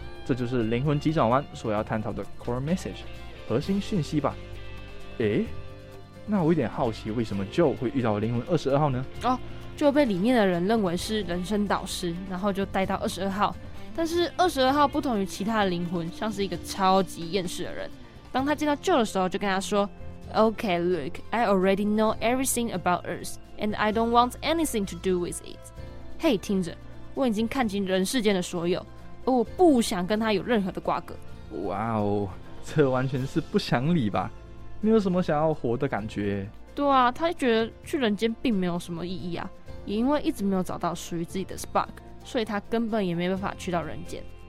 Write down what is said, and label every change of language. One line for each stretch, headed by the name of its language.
Chinese: 这就是灵魂急转弯所要探讨的 core message 核心讯息吧。哎，那我有点好奇，为什么 Joe 会遇到灵魂22号呢？哦，就被里面的人认为是人生导师，然后就带到22号。但是22号不同于其他的灵魂，像是一个超级厌世的人。
English: 当他见到 Joe 的时候，就跟他说 OK Luke, I already know everything about Earth and I don't want anything to do with it.
Chinese: Hey, 听着，我已经看清人世间的所有，而我不想跟他有任何的瓜葛。哇哦，这完全是不想理吧？你有什么想要活的感觉？对啊，他觉得去人间并没有什么意义啊，也因为一直没有找到属于自己的 spark, 所以他根本也没办法去到人间。